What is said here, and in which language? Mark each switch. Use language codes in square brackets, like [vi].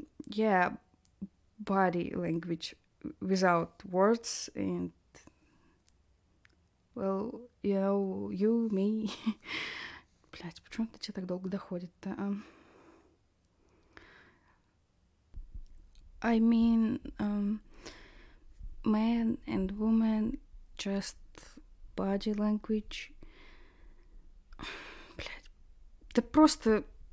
[en] yeah, body language without words and, well, you know, you, me. [ru] Блядь, почему это тебе так долго доходит-то? [en] I mean, man and woman, just body language. [ru] Блядь, да просто...